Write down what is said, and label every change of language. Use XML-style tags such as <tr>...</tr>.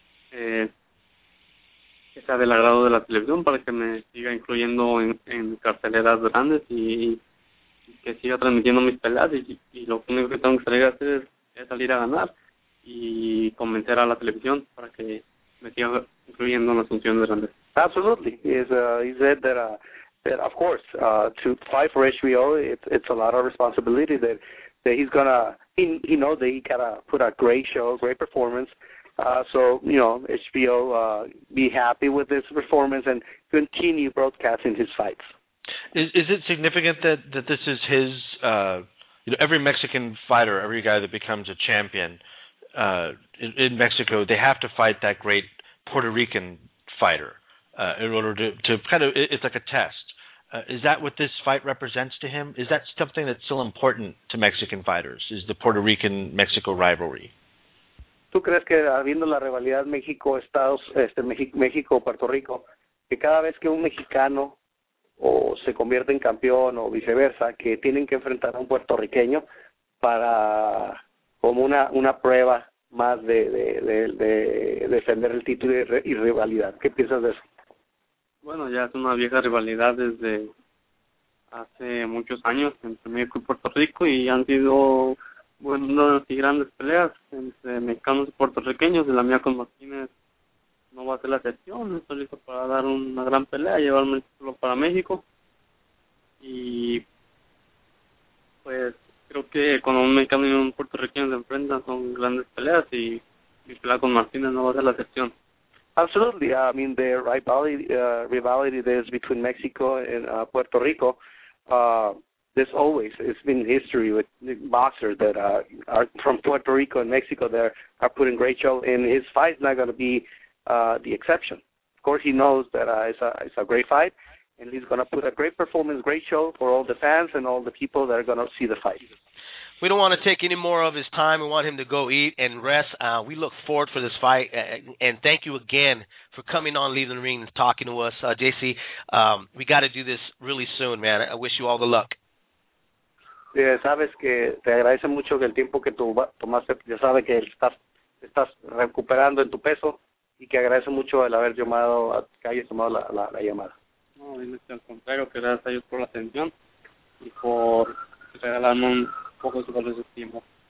<es>Que sea del agrado de la televisión para que me siga incluyendo en carteleras grandes y que siga transmitiendo mis peleas. Y lo único que tengo que salir a hacer es salir a ganar y convencer a la televisión para que me siga incluyendo en las funciones grandes.</es> <en>Absolutely. He said that of course, to fight for HBO, it's a lot of responsibility that he's gonna, he knows that he gotta put a great show, great performance. HBO be happy with his performance and continue broadcasting his fights. Is it significant that this is his, every Mexican fighter, every guy that becomes a champion in Mexico, they have to fight that great Puerto Rican fighter in order to kind of, it's like a test. Is that what this fight represents to him? Is that something that's still important to Mexican fighters, is the Puerto Rican-Mexico rivalry?</en> <es>¿Tú crees que habiendo la rivalidad México-Estados, México-Puerto Rico, que cada vez que un mexicano o se convierte en campeón o viceversa, que tienen que enfrentar a un puertorriqueño para como una prueba más de defender el título y rivalidad? ¿Qué piensas de eso? Bueno, ya es una vieja rivalidad desde hace muchos años entre México y Puerto Rico y han sido... Bueno, y grandes peleas entre mexicanos y puertorriqueños, y la mía con Martínez no va a ser la excepción. Estoy listo para dar una gran pelea, llevarme el título para México. Y pues creo que cuando un mexicano y un puertorriqueño se enfrentan, son grandes peleas, y mi pelea con Martínez no va a ser la excepción.</es> <en>Absolutely. I mean, the rivalry there is between Mexico and Puerto Rico. This always, it's been history with boxers that are from Puerto Rico and Mexico that are putting great show, and his fight is not going to be the exception. Of course, he knows that it's a great fight, and he's going to put a great performance, great show for all the fans and all the people that are going to see the fight. We don't want to take any more of his time. We want him to go eat and rest. We look forward for this fight, and thank you again for coming on Leaving the Ring and talking to us. JC, we got to do this really soon, man. I wish you all the luck.</en> <es>Sabes que te agradece mucho que el tiempo que tú tomaste, ya sabes que estás estás recuperando en tu peso y que agradece mucho el haber llamado, que hayas tomado la llamada. No, al contrario, que gracias a Dios por la atención y por regalarme un poco de su valioso tiempo.</es>